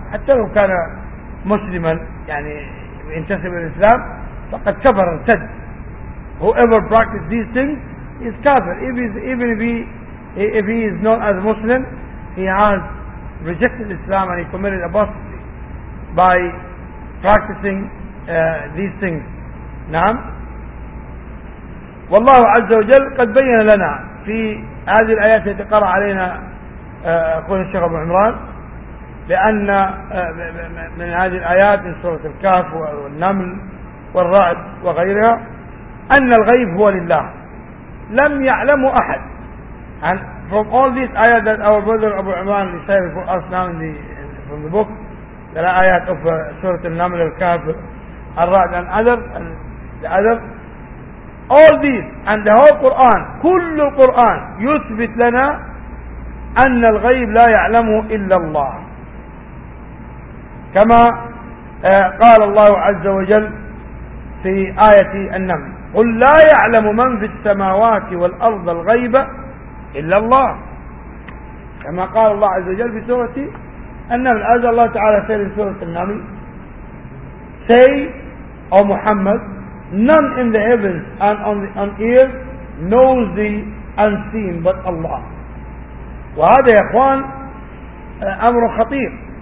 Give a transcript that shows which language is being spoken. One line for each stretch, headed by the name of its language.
Arabic: حتى لو كان مسلما يعني ينتسب الإسلام فقد كفر ارتد.
English: Whoever practices these things is kafir. Even if he is known as Muslim, he has rejected Islam and he committed apostasy by practicing these things.
Arabic: نعم. والله عز وجل قد بين لنا في هذه الآيات التي قرأ علينا أخونا الشيخ أبو عمران، لأن من هذه الآيات من سورة الكهف والنمل والرعد وغيرها أن الغيب هو لله، لم يعلم أحد.
English: And from all these ayat that our brother Abu Iman recited for us now from the book, the ayat of Surah Al-Naml, Al-Kafir, Al-Ra'd and the other, all these and the whole Quran,
Arabic: كل القرآن يثبت لنا أن الغيب لا يعلمه إلا الله. كما قال الله عز وجل في آية النمل: قل لا يعلم من في السماوات والأرض الغيب إلا الله. كما قال الله عز وجل في سورة النمل، أذى الله تعالى في سورة النمل:
English: Say, O Muhammad, none in the heavens and on the earth knows the unseen but Allah.
Arabic: وهذا يا إخوان أمر خطير،